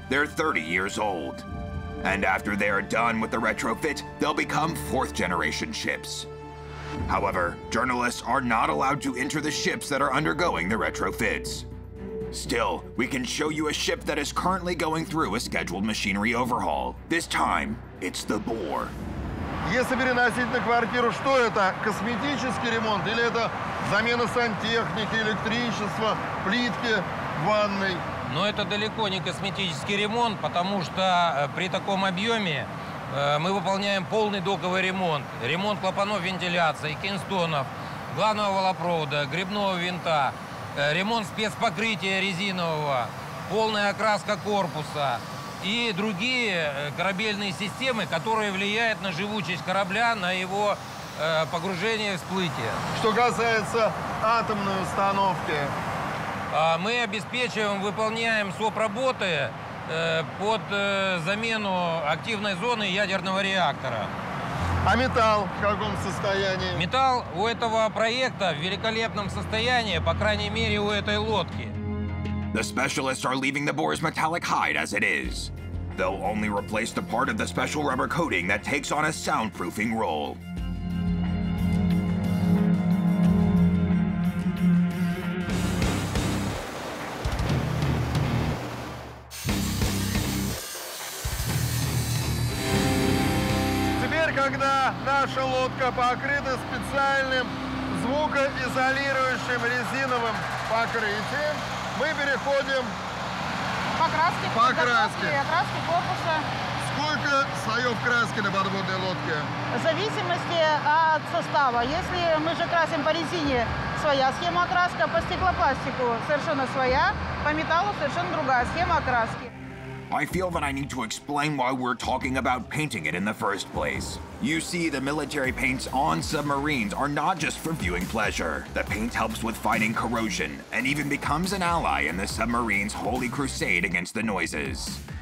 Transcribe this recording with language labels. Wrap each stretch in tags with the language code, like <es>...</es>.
<en>They're 30 years old. And after they are done with the retrofit, they'll become fourth generation ships. However, journalists are not allowed to enter the ships that are undergoing the retrofits. Still, we can show you a ship that is currently going through a scheduled machinery overhaul. This time, it's the Boar.</en> <ru>Если переносить на квартиру, что это? Косметический ремонт? Или это замена сантехники, электричества, плитки в ванной? Но это далеко не косметический ремонт, потому что при таком объеме мы выполняем полный доковый ремонт. Ремонт клапанов вентиляции, кинстонов, главного валопровода, грибного винта. Ремонт спецпокрытия резинового, полная окраска корпуса и другие корабельные системы, которые влияют на живучесть корабля, на его погружение и всплытие. Что касается атомной установки? Мы обеспечиваем, выполняем СОП-работы под замену активной зоны ядерного реактора. А металл в каком состоянии? Металл у этого проекта в великолепном состоянии, по крайней мере, у этой лодки.</ru> <en>The specialists are leaving the Boar's metallic hide as it is. They'll only replace the part of the special rubber coating that takes on a soundproofing role.</en> <ru>Когда наша лодка покрыта специальным звукоизолирующим резиновым покрытием, мы переходим к покраске. Покраске. Окраске корпуса. Сколько слоев краски на подводной лодке? В зависимости от состава. Если мы же красим по резине, своя схема окраски, по стеклопластику совершенно своя, по металлу совершенно другая схема окраски.</ru> <en>I feel that I need to explain why we're talking about painting it in the first place. You see, the military paints on submarines are not just for viewing pleasure. The paint helps with fighting corrosion and even becomes an ally in the submarine's holy crusade against the noises.</en>